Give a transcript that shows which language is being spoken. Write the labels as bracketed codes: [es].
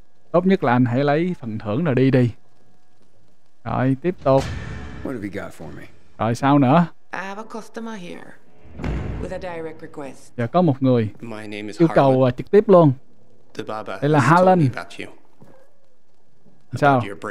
[vi] Tốt nhất là anh hãy lấy phần thưởng rồi đi đi. Rồi, tiếp tục. [en] What have you got for me? [vi] Rồi, sao nữa? [en] I have a customer here with a direct request. [vi] Giờ có một người yêu cầu trực tiếp luôn. Đây là Harlan. Sao?